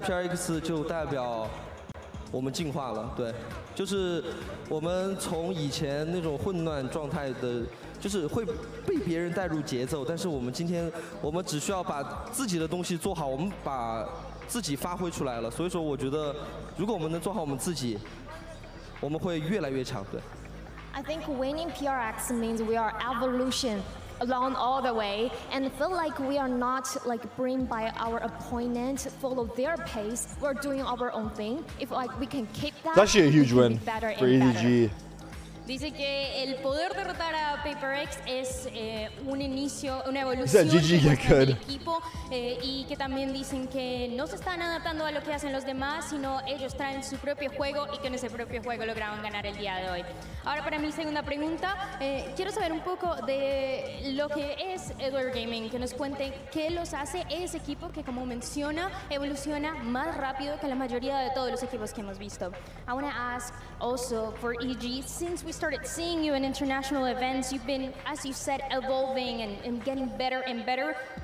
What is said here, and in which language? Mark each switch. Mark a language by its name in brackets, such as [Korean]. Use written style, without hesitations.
[Chinese] PRX 就代表我们进化了，对，就是我们从以前那种混乱状态的，就是会被别人带入节奏，但是我们今天我们只需要把自己的东西做好，我们把。自己发挥出来了，所以说我觉得，如果我们能做好我们自己，我们会越来越强。对。 [English] I think winning PRX means we are evolution along all the way, and feel like we are not like bring by our opponent, follow their pace. We're doing our own thing. If like we can keep that, that's actually a huge win for EDG. [Spanish] Dice que el poder derrotar a PRX es un inicio, una evolución del equipo y que también dicen que no se están adaptando a lo que hacen los demás, sino ellos traen su propio juego y que en ese propio juego lograron ganar el día de hoy. Ahora para mi segunda pregunta, quiero saber un poco de lo que es Edward Gaming, que nos cuente qué los hace ese equipo que, como menciona, evoluciona más rápido que la mayoría de todos los equipos que hemos visto. [English] I want to ask also for EG, since we started seeing you in international events, you've been, as you said, evolving and getting better and better.